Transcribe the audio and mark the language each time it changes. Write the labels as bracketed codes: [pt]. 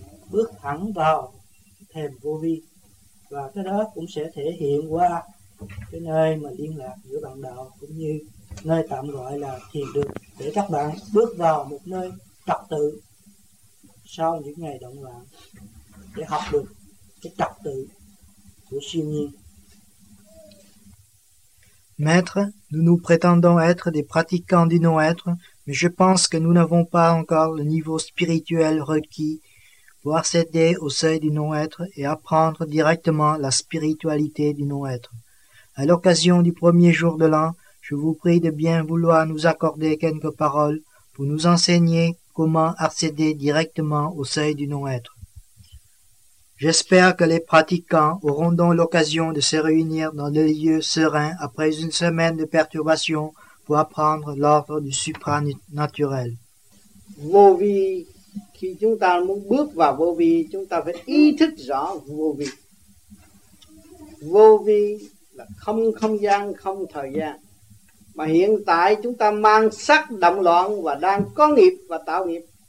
[vi] bước thẳng vào thềm vô vi, và cái đó cũng sẽ thể hiện qua cái nơi mà liên lạc giữa bạn đạo cũng như nơi tạm gọi là thiền đường để các bạn bước vào một nơi trật tự sau những ngày động loạn để học được cái trật tự của siêu nhiên. [fr] Maître, nous nous prétendons être des pratiquants du non-être, mais je pense que nous n'avons pas encore le niveau spirituel requis pour accéder au seuil du non-être et apprendre directement la spiritualité du non-être. À l'occasion du premier jour de l'an, je vous prie de bien vouloir nous accorder quelques paroles pour nous enseigner comment accéder directement au seuil du non-être. J'espère que les pratiquants auront donc l'occasion de se réunir dans des lieux sereins après une semaine de perturbation pour apprendre l'ordre du supranaturel. [vi] Vô vi, khi chúng ta muốn bước vào vô vi, chúng ta phải ý thức rõ vô vi. Vô vi là không không gian, không thời gian. Mà hiện tại chúng ta mang sắc động loạn và đang có nghiệp và tạo nghiệp.